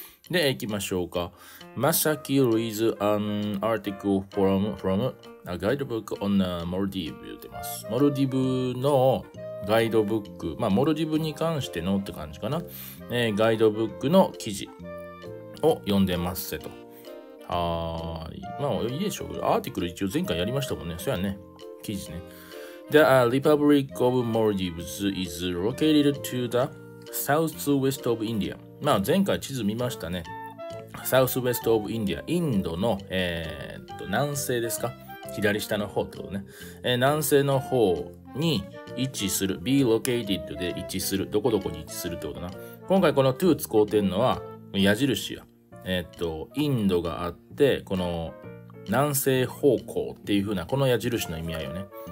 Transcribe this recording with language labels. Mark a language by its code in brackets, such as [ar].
[ja] で、行きましょうか。 [en] Masaki reads an article from a guidebook on Maldives [ja] 言ってます。モルディブのガイドブック、まあモルディブに関してのって感じかな。ガイドブックの記事を読んでますせと。はーい。まあいいでしょう。アーティクル一応前回やりましたもんね。そうやね、記事ね。 [en] The Republic of Maldives is located to the southwest of India。 [ja] まあ前回地図見ましたね。 [en] southwest of India、 [ja] インドの南西ですか、左下の方ってことね。南西の方に位置する、 be located で位置する、どこどこに位置するってことな。今回この to 使うてんのは矢印や、インドがあって、この南西方向っていう風な、この矢印の意味合いよね。